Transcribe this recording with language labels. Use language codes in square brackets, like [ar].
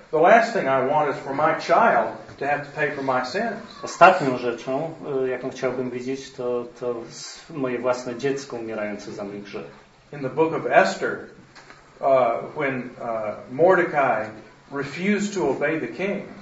[en] The last thing I want is for my child to have to pay for my sins. [pl] Ostatnią rzeczą, jaką chciałbym widzieć, to moje własne dziecko umierające za mój grzech. [en] In the book of Esther, when Mordecai refused to obey the king,